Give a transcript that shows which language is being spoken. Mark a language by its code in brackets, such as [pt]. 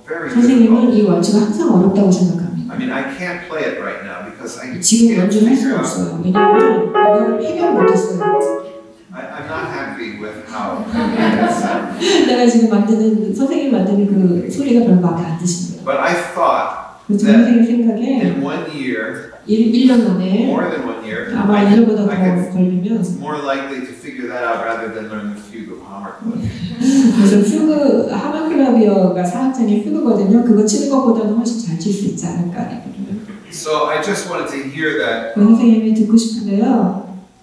[ko] 선생님은 이 완주가 항상 어렵다고 생각합니다. [en] I mean, I can't play it right now because I [ko] 지금 완주를 할 수 없어요. 왜냐하면 이걸 해결 못했어요. [en] I'm not happy with how. [ko] 내가 지금 만드는 선생님 만드는 그 소리가 별로 마음에 안 드십니다. [en] But I thought. [ko] 선생님 생각에 [en] in one year, [ko] 1년 안에 [en] more than one year, [ko] 아마 1년보다 더 걸리면 [en] more likely to figure that out rather than learn the fugue of Hammer. [ko] 그래서 퓨그 하마클라비어가 사악장의 퓨그거든요. 그거 치는 것보다는 훨씬 잘 칠 수 있지 않을까 [en] So I just wanted to hear that. [ko] 선생님이 듣고 싶은데요.